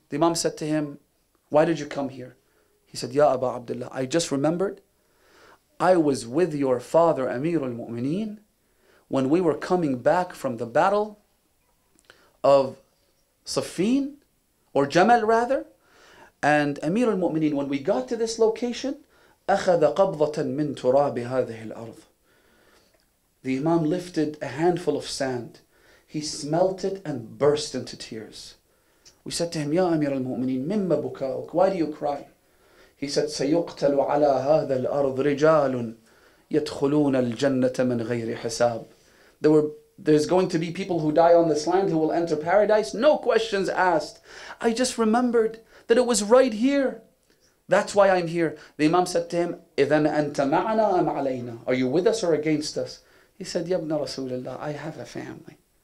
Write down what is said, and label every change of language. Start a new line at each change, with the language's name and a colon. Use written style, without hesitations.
English: The Imam said to him, why did you come here? He said, Ya Aba Abdullah, I just remembered, I was with your father, Amir al-Mu'mineen, when we were coming back from the battle of Safin, or Jamal rather, and Amir al-Mu'mineen, when we got to this location,
Arabic: أَخَذَ قَبْضَةً مِنْ تُرَابِ هَذِهِ الْأَرْضِ
English: The Imam lifted a handful of sand. He smelt it and burst into tears. We said to him, Ya Amir al-Mu'mineen,
Arabic: mimma bukauk,
English: why do you cry? He said,
Arabic: سَيُقْتَلُ عَلَى هَذَا الْأَرْضِ رِجَالٌ يَدْخُلُونَ الْجَنَّةَ مَنْ غَيْرِ حِسَابٍ.
English: There's going to be people who die on this land who will enter paradise. No questions asked. I just remembered that it was right here. That's why I'm here. The Imam said to him,
Arabic: إِذَنْ أَنْتَ مَعَنَا أَمْ عَلَيْنَا.
English: Are you with us or against us? He said,
Arabic: يَبْنَ رَسُولَ اللَّهِ,
English: I have a family.